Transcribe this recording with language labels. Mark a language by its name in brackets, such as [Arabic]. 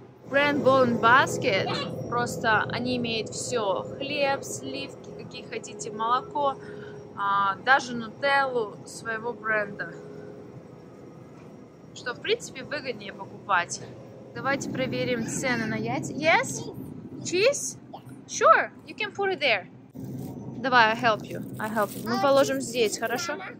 [Russian] Бренд Bone Basket, просто они имеют все, хлеб, сливки, какие хотите, молоко, даже нутеллу своего бренда, что, в принципе, выгоднее покупать. Давайте проверим цены на яйца. [English] Yes? Cheese? Sure, you can put it there. [Russian] Давай, [English] I help you. [Russian] Мы положим здесь, хорошо?